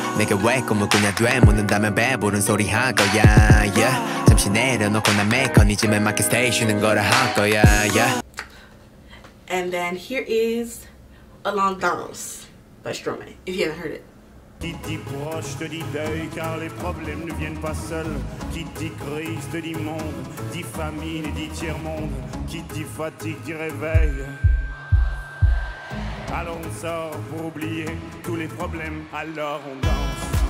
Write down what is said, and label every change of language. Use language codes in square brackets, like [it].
[ko] 내가 왜 꿈을 꾸냐 되묻는다면 배부른 소리 할 거야 yeah. 잠시 내려놓고 난 메커니즘에 맞게 stay 쉬는 거라 할 거야 yeah. [en] And then here is A Long Dance by Stromae, if you haven't heard it. [fr] Qui dit proche te dit deuil, car les problèmes ne viennent pas seuls. Qui dit crise te dit monde, dit famine et dit tiers monde. Qui dit fatigue dit réveil. Alors on sort pour oublier tous les problèmes, alors on danse.